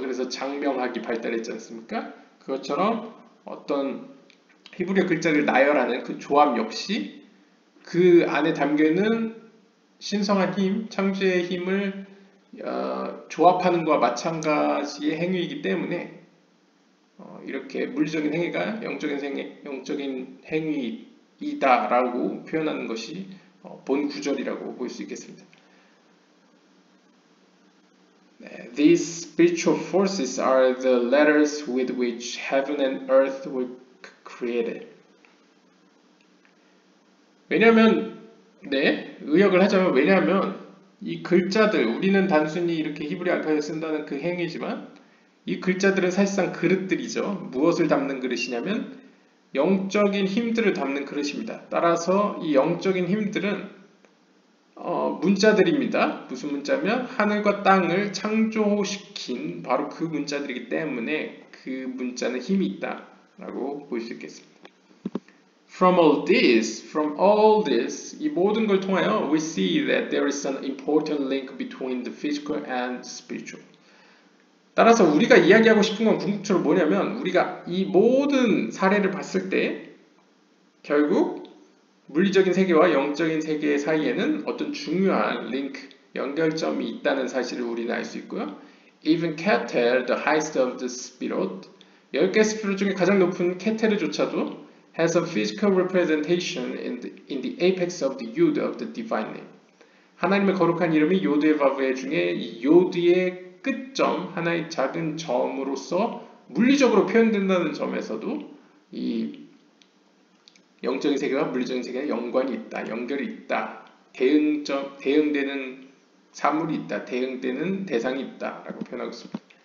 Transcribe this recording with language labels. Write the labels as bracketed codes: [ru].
[ko] 그래서 장명학이 발달했지 않습니까? 그것처럼 어떤 히브리어 글자를 나열하는 그 조합 역시 그 안에 담겨있는 신성한 힘, 창조의 힘을 조합하는 것과 마찬가지의 행위이기 때문에 이렇게 물리적인 행위가 영적인 행위이다라고 표현하는 것이 본 구절이라고 볼 수 있겠습니다. [en] These spiritual forces are the letters with which heaven and earth were created. [ko] 왜냐하면, 네, 의역을 하자면 왜냐하면 이 글자들, 우리는 단순히 이렇게 히브리 알파벳을 쓴다는 그 행위지만 이 글자들은 사실상 그릇들이죠. 무엇을 담는 그릇이냐면 영적인 힘들을 담는 그릇입니다. 따라서 이 영적인 힘들은 문자들입니다. 무슨 문자면 하늘과 땅을 창조시킨 바로 그 문자들이기 때문에 그 문자는 힘이 있다라고 볼 수 있겠습니다. [en] From all this, [ko] 이 모든 걸 통하여 [en] we see that there is an important link between the physical and spiritual. [ko] 따라서 우리가 이야기하고 싶은 건 궁극적으로 뭐냐면 우리가 이 모든 사례를 봤을 때 결국 물리적인 세계와 영적인 세계 사이에는 어떤 중요한 링크, 연결점이 있다는 사실을 우리는 알 수 있고요. [en] even Keter, the highest of the Sefirot, [ko] 10개 스피롯 중에 가장 높은 케테르조차도 [en] has a physical representation in the apex of the Yod of the Divine Name. [ko] 하나님의 거룩한 이름이 요드의 바브의 중에 요드의 끝점, 하나의 작은 점으로서 물리적으로 표현된다는 점에서도 이 영적인 세계와 물리적인 세계에 연관이 있다, 연결이 있다, 대응되는 사물이 있다, 대응되는 대상이 있다 라고 표현하고 있습니다.